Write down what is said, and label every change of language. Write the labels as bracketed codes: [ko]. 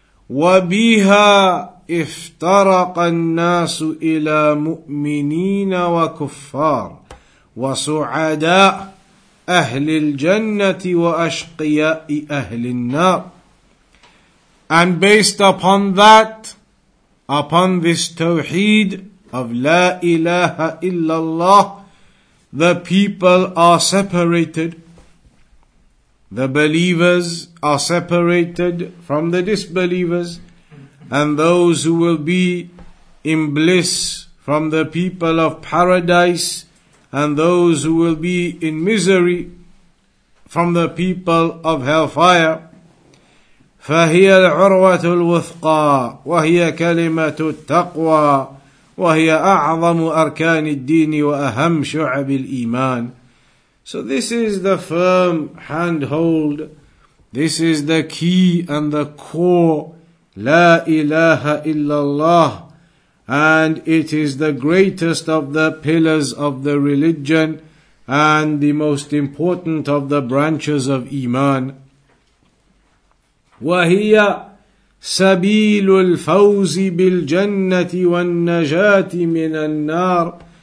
[ar] وبها افترق الناس إلى مؤمنين وكفار وسعداء أهل الجنة وأشقياء أهل النار. [en] And based upon that, upon this tawheed of [ar] لا إله إلا الله, [en] the people are separated. The believers are separated from the disbelievers. And those who will be in bliss from the people of paradise, and those who will be in misery from the people of hellfire. [ar] فَهِيَ الْعُرْوَةُ الْوُثْقَى وَهِيَ كَلِمَةُ التَّقْوَى وهي أعظم أركان الدين وأهم شعب الإيمان. [en] So this is the firm handhold. This is the key and the core. [ar] لا إله إلا الله. [en] And it is the greatest of the pillars of the religion and the most important of the branches of إيمان. [ar] وهي سبيل الفوز بالجنة والنجاة من النار.